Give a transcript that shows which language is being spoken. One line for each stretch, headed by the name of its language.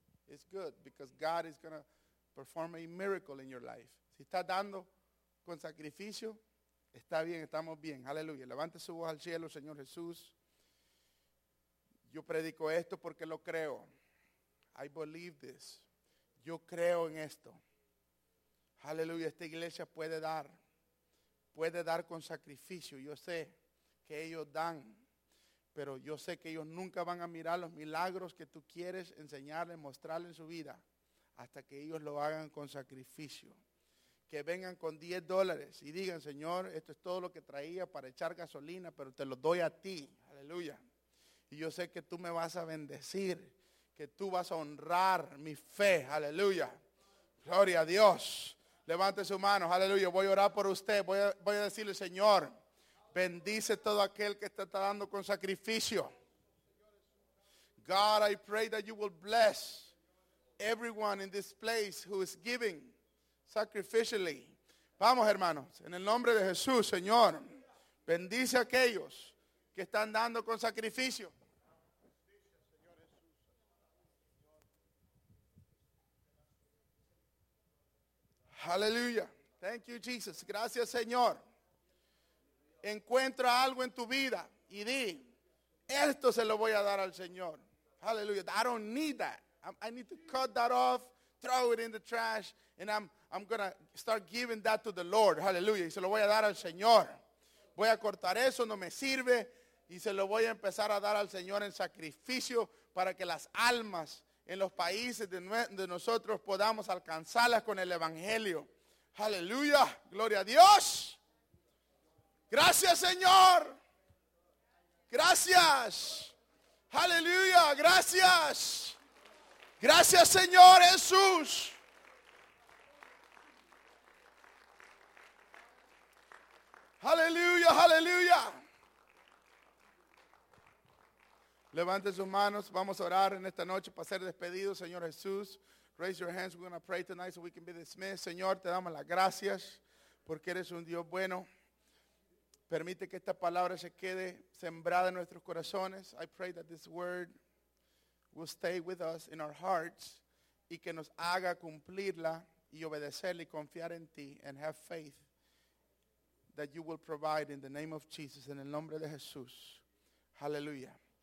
English: It's good because God is going to perform a miracle in your life.
Spanish: Si está dando con sacrificio, está bien, estamos bien. Aleluya. Levante su voz al cielo, Señor Jesús. Yo predico esto porque lo creo.
English: I believe this.
Spanish: Yo creo en esto. Aleluya. Esta iglesia puede dar. Puede dar con sacrificio. Yo sé que ellos dan, pero yo sé que ellos nunca van a mirar los milagros que tú quieres enseñarles, mostrarles en su vida, hasta que ellos lo hagan con sacrificio. Que vengan con $10 y digan, Señor, esto es todo lo que traía para echar gasolina, pero te lo doy a ti, aleluya. Y yo sé que tú me vas a bendecir, que tú vas a honrar mi fe, aleluya. Gloria a Dios, levante su mano, aleluya, voy a orar por usted, voy a decirle, Señor, bendice todo aquel que está dando con sacrificio.
English: God, I pray that you will bless everyone in this place who is giving sacrificially.
Spanish: Vamos, hermanos, en el nombre de Jesús, Señor, bendice a aquellos que están dando con sacrificio.
English: Hallelujah. Thank you, Jesus.
Spanish: Gracias, Señor. Encuentra algo en tu vida y di, esto se lo voy a dar al Señor.
English: Hallelujah. I don't need that. I need to cut that off, throw it in the trash, and I'm going to start giving that to the Lord.
Spanish: Hallelujah. Y se lo voy a dar al Señor. Voy a cortar eso, no me sirve, y se lo voy a empezar a dar al Señor en sacrificio para que las almas en los países de nosotros podamos alcanzarlas con el Evangelio. Hallelujah. Gloria a Dios. Gracias, Señor. Gracias. Aleluya. Gracias. Gracias, Señor Jesús. Aleluya, aleluya. Levante sus manos. Vamos a orar en esta noche para ser despedidos, Señor Jesús.
English: Raise your hands. We're going to pray tonight so we can be dismissed.
Spanish: Señor, te damos las gracias porque eres un Dios bueno. Permite que esta palabra se quede sembrada en nuestros corazones.
English: I pray that this word will stay with us in our hearts
Spanish: y que nos haga cumplirla y obedecerla y confiar en ti
English: and have faith that you will provide in the name of Jesus,
Spanish: en el nombre de Jesús.
English: Hallelujah.